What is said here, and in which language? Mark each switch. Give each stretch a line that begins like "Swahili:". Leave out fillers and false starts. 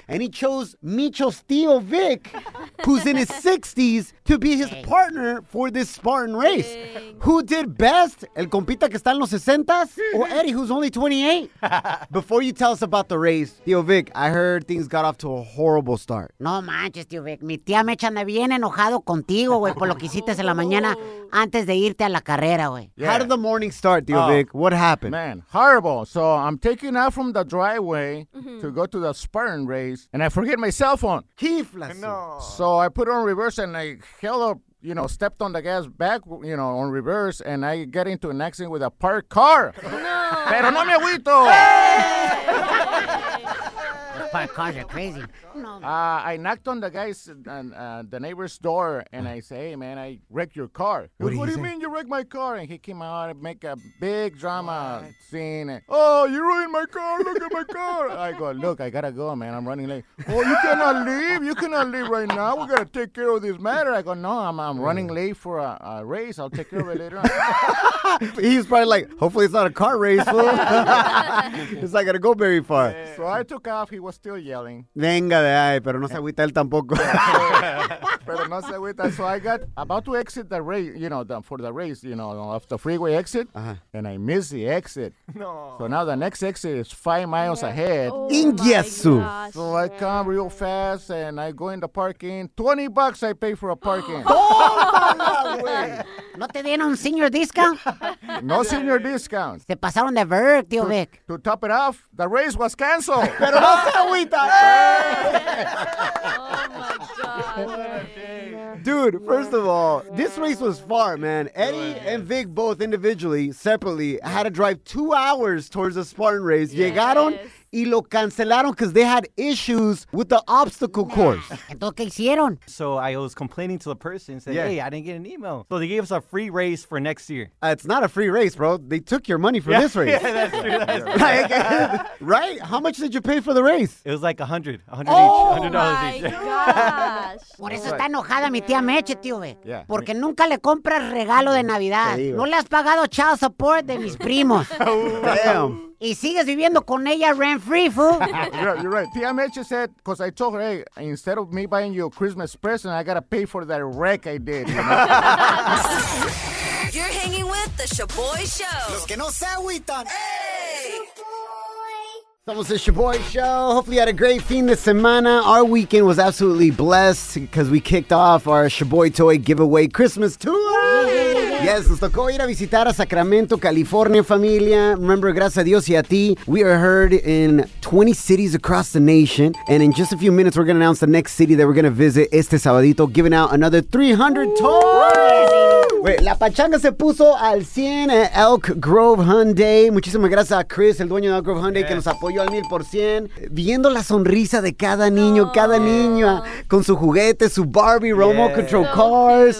English: And he chose Micho's tío Vic, who's in his 60s, to be his partner for this Spartan race. Dang. Who did best?
Spanish: El compita que está en los 60s?
English: Or Eddie, who's only 28? Before you tell us about the race, tío Vic, I heard things got off to a horrible start.
Spanish: No manches, tío Vic. Mi tía me echan de bien enojado contigo, güey, por lo que hiciste en la mañana. Antes de irte a la carrera, güey.
English: Yeah. How did the morning start, Tio Vic? What happened? Man, horrible. So I'm taking out from the driveway to go to the Spartan race, and I forget my cell phone. Keyless. No. So I put it on reverse, and I held up, you know, stepped on the gas back, you know, on reverse, and I get into an accident with a parked car. No.
Spanish: Pero no me agüito.
English: Cars are crazy. I knocked on the guy's the neighbor's door, and I say, "Hey, man, I wrecked your car." What do you mean you wrecked my car? And he came out and make a big drama scene. And, oh, you ruined my car! Look at my car! I go, "Look, I gotta go, man. I'm running late." Oh, you cannot leave! You cannot leave right now. We gotta take care of this matter. I go, "No, I'm running late for a race. I'll take care of it later on." He's probably like, "Hopefully it's not a car race, fool. It's not gonna go very far." Yeah. So I took off. He was still yelling.
Spanish: Venga de ahí, pero no se agüita él tampoco. Pero no se agüita.
English: So I got about to exit the race, you know, for the race, you know, off the freeway exit, and I missed the exit. No. So now the next exit is 5 miles ahead. Oh, in Yesu. So I come real fast, and I go in the parking. $20 I pay for a parking. Oh,
Spanish: no te dieron
English: senior discount? No senior discount.
Spanish: Se pasaron de ver, tío Vic.
English: To top it off, the race was canceled.
Spanish: Pero no se agüita.
English: Oh, my God. Dude, first of all, this race was far, man. Eddie and Vic both individually, separately, had to drive 2 hours towards the Spartan race.
Spanish: Llegaron y lo cancelaron
English: because they had issues with the obstacle course.
Spanish: Entonces, ¿qué hicieron?
English: So I was complaining to the person and said, hey, I didn't get an email. So they gave us a free race for next year. It's not a free race, bro. They took your money for this race. Yeah, that's true. Right? How much did you pay for the race? It was like $100 each. $100 each. Oh, my gosh.
Spanish: Por eso está enojada mi tía Meche, tío, güey.
English: Yeah.
Spanish: Porque nunca le compras regalo de Navidad. No le has pagado child support de mis primos.
English: Damn.
Spanish: Y sigues viviendo con ella
English: rent free, fool. You're right. Tia Meche said, because I told her, hey, instead of me buying you a Christmas present, I got to pay for that wreck I did. You know? You're hanging with the ShaBoy Show.
Spanish: Los que no se agüitan.
English: Hey! ShaBoy. Somos the ShaBoy Show. Hopefully you had a great
Spanish: fin de semana.
English: Our weekend was absolutely blessed because we kicked off our ShaBoy Toy giveaway Christmas tour.
Spanish: Yes, nos tocó ir a visitar a Sacramento, California, familia.
English: Remember,
Spanish: gracias a Dios y a ti,
English: we are heard in 20 cities across the nation. And in just a few minutes, we're going to announce the next city that we're going to visit
Spanish: este sabadito,
English: giving out another 300 toys.
Spanish: Wait, la pachanga se puso al 100 at Elk Grove Hyundai. Muchísimas gracias a Chris, el dueño de Elk Grove Hyundai,
English: yes,
Spanish: que nos apoyó al 1000%. Viendo la sonrisa de cada niño, oh, cada niña, con su juguete, su Barbie,
English: yes, remote control so cars.